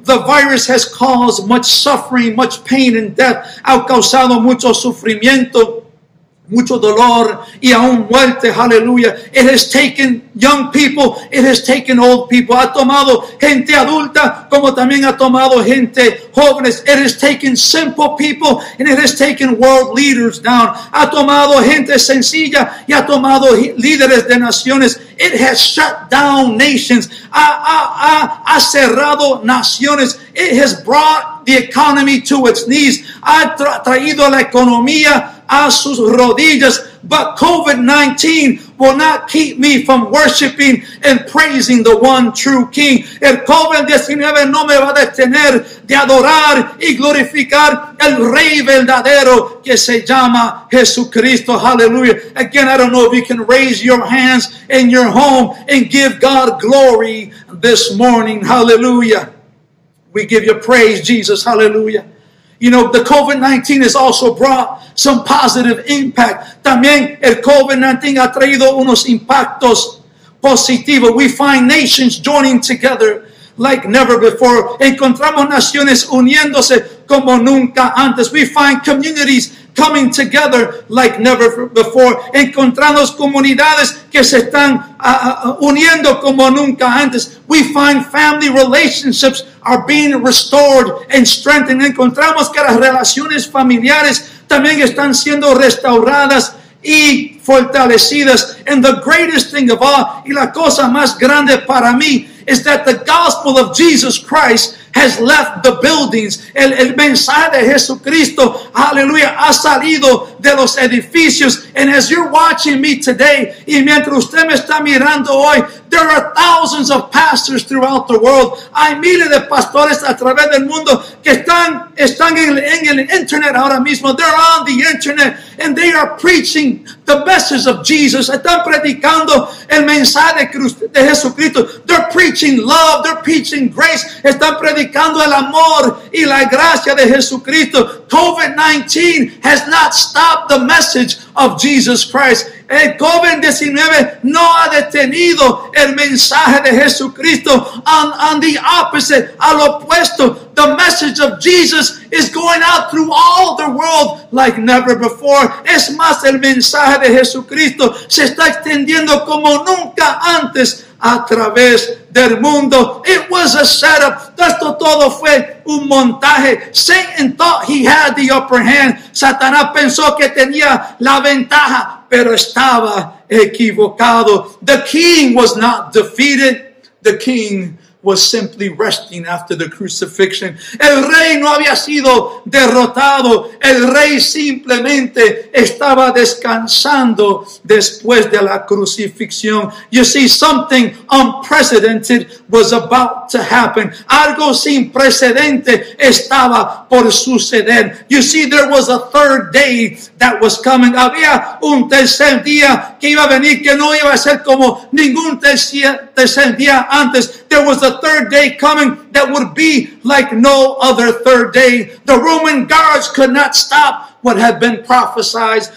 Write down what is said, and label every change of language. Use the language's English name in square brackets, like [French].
[English] The virus has caused much suffering, much pain and death. [Spanish] Ha causado mucho sufrimiento, mucho dolor y aún muerte. Hallelujah. [English] It has taken young people. It has taken old people. [Spanish] Ha tomado gente adulta como también ha tomado gente jóvenes. [English] It has taken simple people and it has taken world leaders down. [Spanish] Ha tomado gente sencilla y ha tomado líderes de naciones. [English] It has shut down nations. [Spanish] Ha cerrado naciones. [English] It has brought the economy to its knees. [Spanish] Ha traído la economía a sus rodillas. [English] But COVID-19 will not keep me from worshiping and praising the one true King. [Spanish] El COVID-19 no me va a detener de adorar y glorificar el Rey verdadero que se llama Jesucristo. Hallelujah. [English] Again, I don't know if you can raise your hands in your home and give God glory this morning. Hallelujah. We give you praise, Jesus. Hallelujah. You know, the COVID-19 has also brought some positive impact. [Spanish] También el COVID-19 ha traído unos impactos positivos. [English] We find nations joining together like never before. [Spanish] Encontramos naciones uniéndose como nunca antes. [English] We find communities coming together like never before. [Spanish] Encontramos comunidades que se están uniendo como nunca antes. [English] We find family relationships are being restored and strengthened. [Spanish] Encontramos que las relaciones familiares también están siendo restauradas y fortalecidas. [English] And the greatest thing of all, [Spanish] y la cosa más grande para mí, [English] is that the gospel of Jesus Christ has left the buildings. [Spanish] El mensaje de Jesucristo, hallelujah, ha salido de los edificios. [English] And as you're watching me today, [Spanish] y mientras usted me está mirando hoy, [English] there are thousands of pastors throughout the world. [Spanish] Hay miles de pastores a través del mundo que están en el internet ahora mismo. [English] They're on the internet and they are preaching the message of Jesus. [Spanish] Están predicando el mensaje de Jesucristo. [English] They're preaching love. They're preaching grace. [Spanish] Están predicando el amor y la gracia de Jesucristo. [English] COVID-19 has not stopped the message of Jesus Christ. [Spanish] El COVID-19 no ha detenido el mensaje de Jesucristo. [English] On the opposite, [Spanish] al opuesto, [English] the message of Jesus is going out through all the world like never before. [Spanish] Es más, el mensaje de Jesucristo se está extendiendo como nunca antes a través del mundo. [English] It was a setup. [Spanish] Esto todo fue un montaje. [English] Satan thought he had the upper hand. [Spanish] Satanás pensó que tenía la ventaja, pero estaba equivocado. [English] The king was not defeated. The king was simply resting after the crucifixion. [Spanish] El rey no había sido derrotado. El rey simplemente estaba descansando después de la crucifixión. [English] You see, something unprecedented was about to happen. [Spanish] Algo sin precedente estaba por suceder. [English] You see, there was a third day that was coming. [Spanish] Había un tercer día que iba a venir, que no iba a ser como ningún tercer día antes. [English] There was a third day coming that would be like no other third day. The Roman guards could not stop what had been prophesied.